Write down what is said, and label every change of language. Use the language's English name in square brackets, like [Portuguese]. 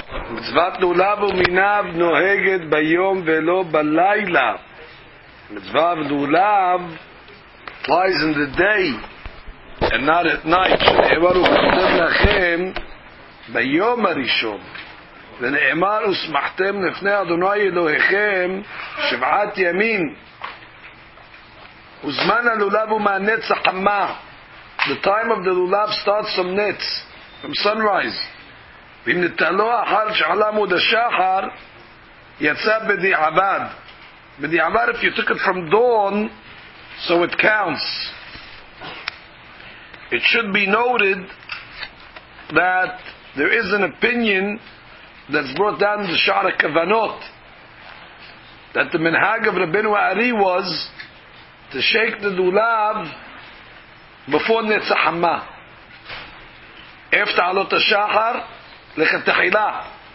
[Hebrew] מצוות לולב ומיניו נוהגת ביום ולא בלילה. מצוות לולב [English] lies in the day and not at night. [Hebrew] שנאמר וכתב לכם ביום הראשון, ונאמר ושמחתם לפני אדוני אלוהיכם שבעת ימים. וזמן הלולב הוא מהנץ החמה. [English] The time of the lulav starts from nets, from sunrise. [Hebrew] ואם נטלו אחר שחלם עוד השחר, יצא בדיעבד. [English] בדיעבד, if you took it from dawn, so it counts. It should be noted that there is an opinion that's brought down the Shara Kavanot, that the minhag of Rabbeinu Ari was to shake the lulav before Netzach Hama, after Alot HaShachar, Lechet Techila.